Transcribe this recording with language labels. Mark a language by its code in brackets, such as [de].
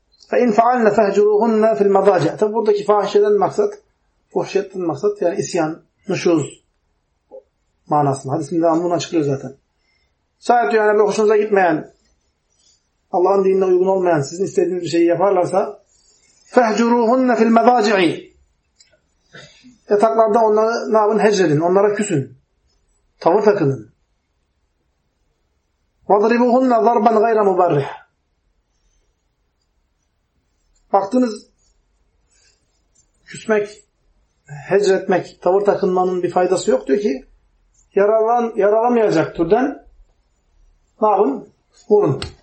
[ar] فَاِنْ فَعَلْنَ فَهْجُرُوهُنَّ فِي الْمَضَاجَةِ. [tr] Tabi buradaki fahişeden maksat, fuhşiyetten maksat yani isyan, nuşuz manasında. Hadisinde bunu açıklıyor zaten. Şayet yani bir hoşunuza gitmeyen, Allah'ın dinine uygun olmayan, sizin istediğiniz bir şeyi yaparlarsa [ar] فَهْجُرُوهُنَّ فِي الْمَضَاجِعِ. [tr] Yataklarda onları ne yapın? Hecredin, onlara küsün. Tavır takının. [ar] وَضَرِبُوهُنَّ ضَرْبًا غَيْرَ مُبَرِّحٍ. [tr] Baktınız, küsmek, hecretmek, tavır takınmanın bir faydası yok diyor ki, yaralamayacak türden ne yapın? Vurun.